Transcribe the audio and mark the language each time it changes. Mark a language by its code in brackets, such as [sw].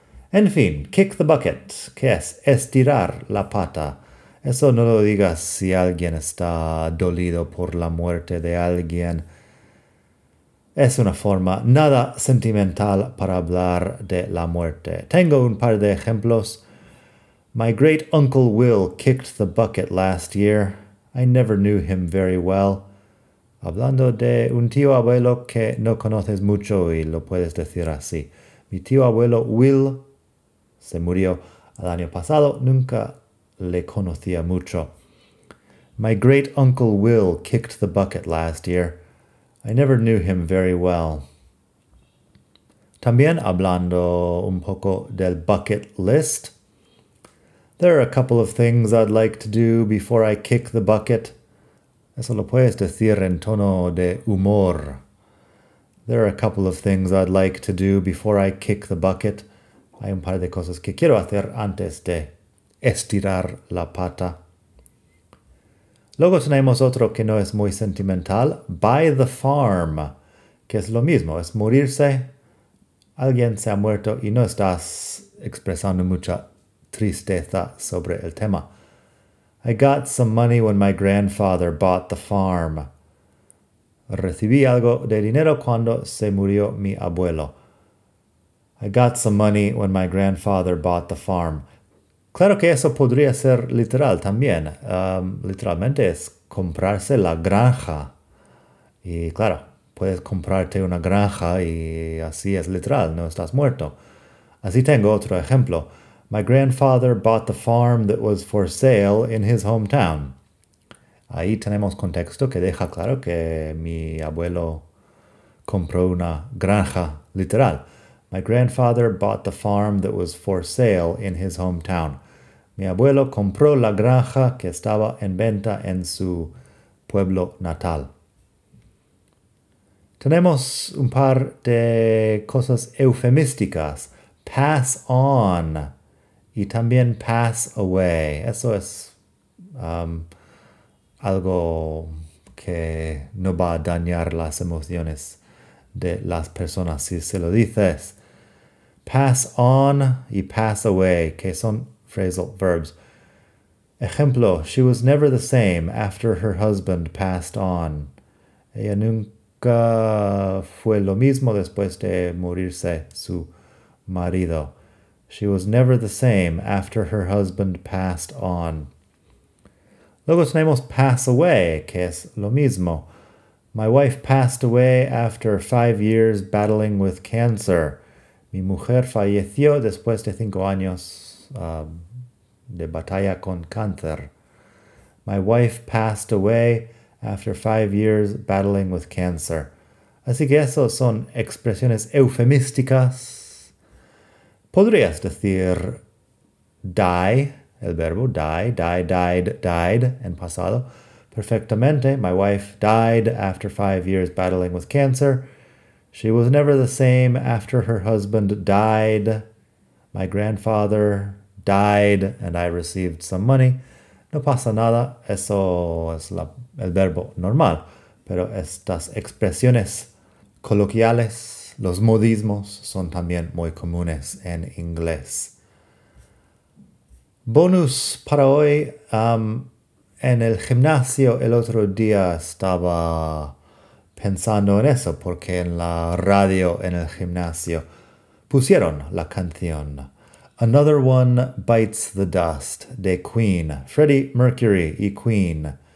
[es] En fin, [en] kick the bucket, [es] que es estirar la pata. Eso no lo digas si alguien está dolido por la muerte de alguien. Es una forma nada sentimental para hablar de la muerte. Tengo un par de ejemplos. [en] My great uncle Will kicked the bucket last year. I never knew him very well. [es] Hablando de un tío abuelo que no conoces mucho y lo puedes decir así. Mi tío abuelo Will se murió el año pasado. Nunca le conocía mucho. [en] My great uncle Will kicked the bucket last year. I never knew him very well. [es] También hablando un poco del [en] bucket list. There are a couple of things I'd like to do before I kick the bucket. [es] Eso lo puedes decir en tono de humor. [en] There are a couple of things I'd like to do before I kick the bucket. [es] Hay un par de cosas que quiero hacer antes de estirar la pata. Luego tenemos otro que no es muy sentimental. [en] Buy the farm. [es] Que es lo mismo, es morirse. Alguien se ha muerto y no estás expresando mucha tristeza sobre el tema. [en] I got some money when my grandfather bought the farm. [es] Recibí algo de dinero cuando se murió mi abuelo. [en] I got some money when my grandfather bought the farm. [es] Claro que eso podría ser literal también. Literalmente es comprarse la granja. Y claro, puedes comprarte una granja y así es literal, no estás muerto. Así tengo otro ejemplo. [en] My grandfather bought the farm that was for sale in his hometown. [es] Ahí tenemos contexto que deja claro que mi abuelo compró una granja, literal. [en] My grandfather bought the farm that was for sale in his hometown. [es] Mi abuelo compró la granja que estaba en venta en su pueblo natal. Tenemos un par de cosas eufemísticas. [en] Pass on. [es] Y también [en] pass away. [es] Eso es algo que no va a dañar las emociones de las personas si se lo dices. Pass on y pass away, que son phrasal verbs. [en] Ejemplo, she was never the same after her husband passed on. [es] Ella nunca fue lo mismo después de morirse su marido. [en] She was never the same after her husband passed on. [es] Luego tenemos pass away, que es lo mismo. [en] My wife passed away after 5 years battling with cancer. [es] Mi mujer falleció después de 5 años de batalla con cáncer. [en] My wife passed away after 5 years battling with cancer. [es] Así que eso son expresiones eufemísticas. Podrías decir die, el verbo die, die, died, died, en pasado. [en] Perfectamente, my wife died after 5 years battling with cancer. She was never the same after her husband died. My grandfather died and I received some money. [es] No pasa nada, eso es el verbo normal. Pero estas expresiones coloquiales, los modismos, son también muy comunes en inglés. Bonus para hoy. En el gimnasio el otro día estaba pensando en eso, porque en la radio en el gimnasio pusieron la canción Another One Bites the Dust de Queen, Freddie Mercury y Queen.